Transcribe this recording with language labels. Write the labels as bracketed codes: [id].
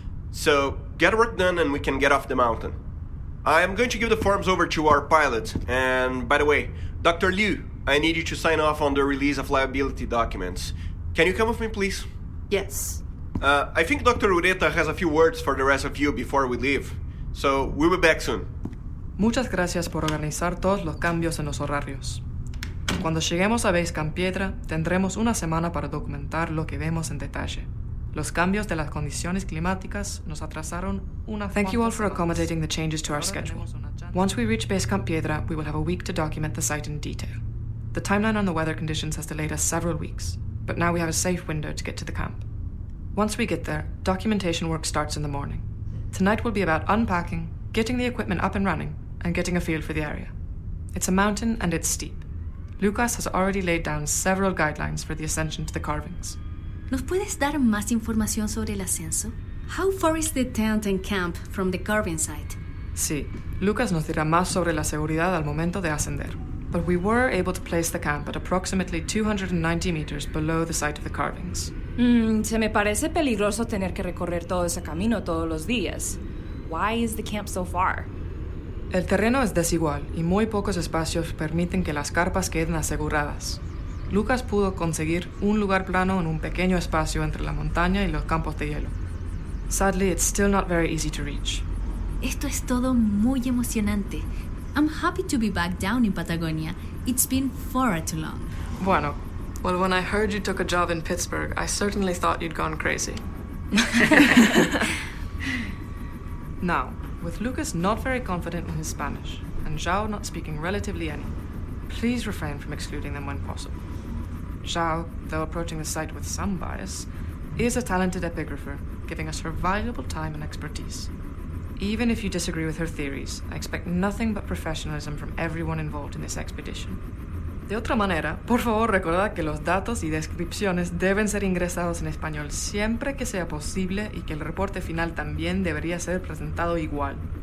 [en] So get work done and we can get off the mountain. I am going to give the forms over to our pilot. And by the way, Dr. Liu, I need you to sign off on the release of liability documents. Can you come with me, please? Yes. I think Dr. Ureta has a few words for the rest of you before we leave. So we'll be back soon. [es] Muchas gracias por organizar todos los cambios en los horarios. Cuando lleguemos a Base Camp Piedra, tendremos una semana para documentar lo que vemos en detalle. Los cambios de las condiciones climáticas nos atrasaron una. [en] Thank you all for accommodating the changes to our schedule. Once we reach Base Camp Piedra, we will have a week to document the site in detail. The timeline on the weather conditions has delayed us several weeks, but now we have a safe window to get to the camp. Once we get there, documentation work starts in the morning. Tonight will be about unpacking, getting the equipment up and running, and getting a feel for the area. It's a mountain and it's steep. Lucas has already laid down several guidelines for the ascension to the carvings. [es] ¿Nos puedes dar más información sobre el ascenso? [en] How far is the tent and camp from the carving site? [es] Sí, Lucas nos dirá más sobre la seguridad al momento de ascender. [en] But we were able to place the camp at approximately 290 meters below the site of the carvings. [es] Se me parece peligroso tener que recorrer todo ese camino todos los días. [en] Why is the camp so far? [es] El terreno es desigual y muy pocos espacios permiten que las carpas queden aseguradas. Lucas pudo conseguir un lugar plano en un pequeño espacio entre la montaña y los campos de hielo. [en] Sadly, it's still not very easy to reach. [es] Esto es todo muy emocionante. [en] I'm happy to be back down in Patagonia. It's been far too long. [es] Bueno, [en] well, when I heard you took a job in Pittsburgh, I certainly thought you'd gone crazy. Now, with Lucas not very confident in his Spanish and Zhao not speaking relatively any, please refrain from excluding them when possible. Zhao, though approaching the site with some bias, is a talented epigrapher, giving us her valuable time and expertise. Even if you disagree with her theories, I expect nothing but professionalism from everyone involved in this expedition. [es] De otra manera, por favor recuerda que los datos y descripciones deben ser ingresados en español siempre que sea posible y que el reporte final también debería ser presentado igual.